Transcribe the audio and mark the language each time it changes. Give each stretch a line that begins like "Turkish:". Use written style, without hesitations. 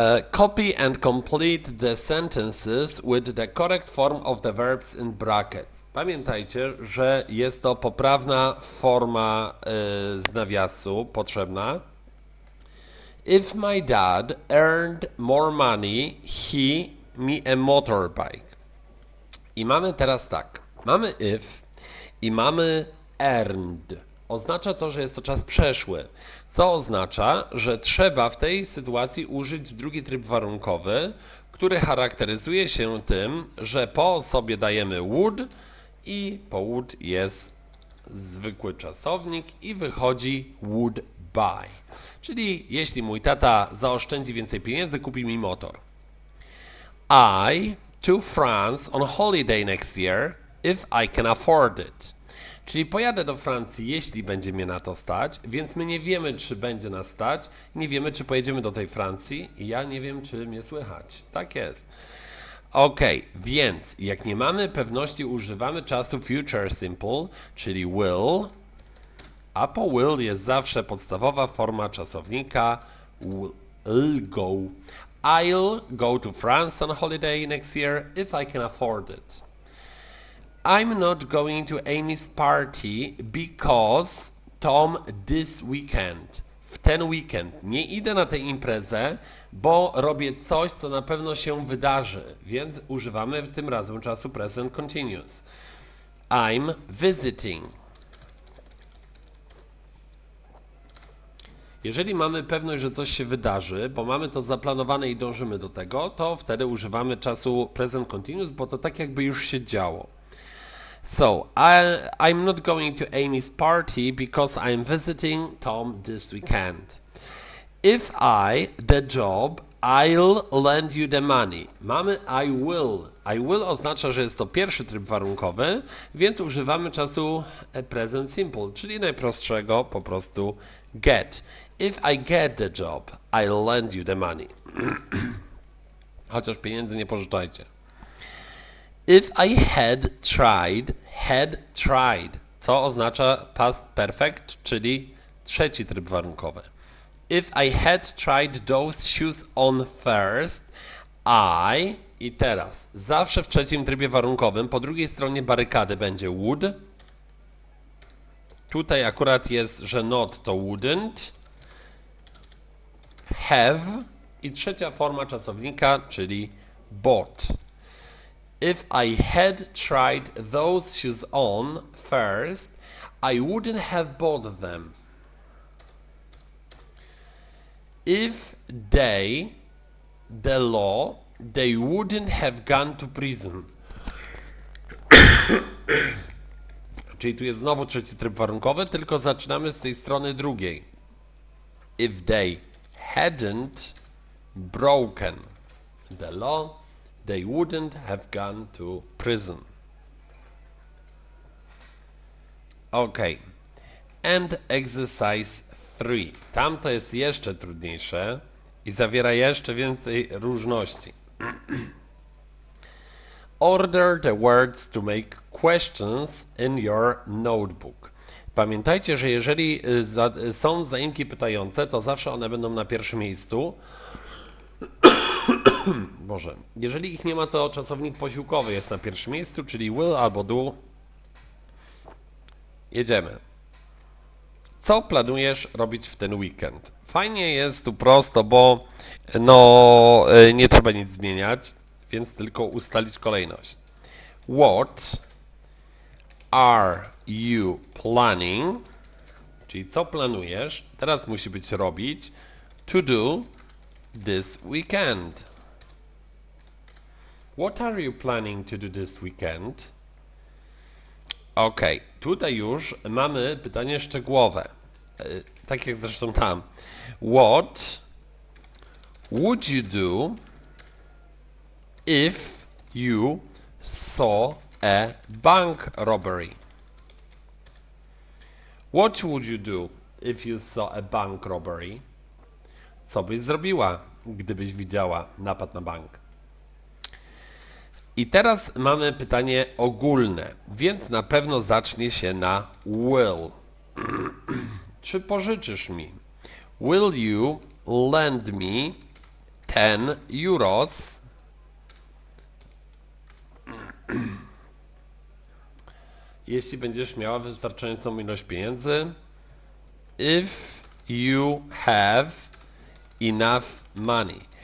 English: Copy and complete the sentences with the correct form of the verbs in brackets.
Polish: Pamiętajcie, że jest to poprawna forma z nawiasu potrzebna.
English: If my dad earned more money, he me a motorbike.
Polish: I mamy teraz tak. Mamy if i mamy earned. Oznacza to, że jest to czas przeszły. Co oznacza, że trzeba w tej sytuacji użyć drugi tryb warunkowy, który charakteryzuje się tym, że po osobie dajemy would i po would jest zwykły czasownik i wychodzi would buy. Czyli jeśli mój tata zaoszczędzi więcej pieniędzy, kupi mi motor.
English: I to France on holiday next year if I can afford it.
Polish: Czyli pojadę do Francji, jeśli będzie mnie na to stać, więc my nie wiemy, czy będzie nas stać, nie wiemy, czy pojedziemy do tej Francji i ja nie wiem, czy mnie słychać. Tak jest. Ok, więc jak nie mamy pewności, używamy czasu future simple, czyli will, a po will jest zawsze podstawowa forma czasownika will go.
English: I'll go to France on holiday next year if I can afford it. I'm not going to Amy's party because Tom this weekend.
Polish: W ten weekend. Nie idę na tę imprezę, bo robię coś, co na pewno się wydarzy. Więc używamy tym razem czasu present continuous. I'm visiting. Jeżeli mamy pewność, że coś się wydarzy, bo mamy to zaplanowane i dążymy do tego, to wtedy używamy czasu present continuous, bo to tak jakby już się działo.
English: So, I'm not going to Amy's party because I'm visiting Tom this weekend. If I, the job, I'll lend you the money.
Polish: Mamy
English: I will.
Polish: I will oznacza, że jest to pierwszy tryb warunkowy, więc używamy czasu present simple, czyli najprostszego po prostu get.
English: If I get the job, I'll lend you the money.
Polish: Chociaż pieniędzy nie pożyczajcie.
English: If I had tried, had tried,
Polish: co oznacza past perfect, czyli trzeci tryb warunkowy.
English: If I had tried those shoes on first, I,
Polish: i teraz, zawsze w trzecim trybie warunkowym, po drugiej stronie barykady będzie would. Tutaj akurat jest, że not to wouldn't. Have i trzecia forma czasownika, czyli bought.
English: If I had tried those shoes on first, I wouldn't have bought them. If they, the law, they wouldn't have gone to prison.
Polish: Czyli tu jest znowu trzeci tryb warunkowy, tylko zaczynamy z tej strony drugiej.
English: If they hadn't broken the law, they wouldn't have gone to prison. Ok. And exercise 3.
Polish: Tam to jest jeszcze trudniejsze i zawiera jeszcze więcej różności.
English: Order the words to make questions in your notebook.
Polish: Pamiętajcie, że jeżeli są zaimki pytające, to zawsze one będą na pierwszym miejscu. Boże, jeżeli ich nie ma, to czasownik posiłkowy jest na pierwszym miejscu, czyli will albo do. Jedziemy. Co planujesz robić w ten weekend? Fajnie jest tu prosto, bo no, nie trzeba nic zmieniać, więc tylko ustalić kolejność.
English: What are you planning?
Polish: Czyli co planujesz? Teraz musi być robić.
English: To do this weekend. What are you planning to do this weekend? Okej, okay.
Polish: Tutaj już mamy pytanie szczegółowe. Tak jak zresztą tam.
English: What would you do if you saw a bank robbery? What would you do if you saw a bank robbery?
Polish: Co byś zrobiła, gdybyś widziała napad na bank? I teraz mamy pytanie ogólne, więc na pewno zacznie się na will. Czy pożyczysz mi?
English: Will you lend me 10 euros?
Polish: Jeśli będziesz miała wystarczającą ilość pieniędzy.
English: If you have enough money.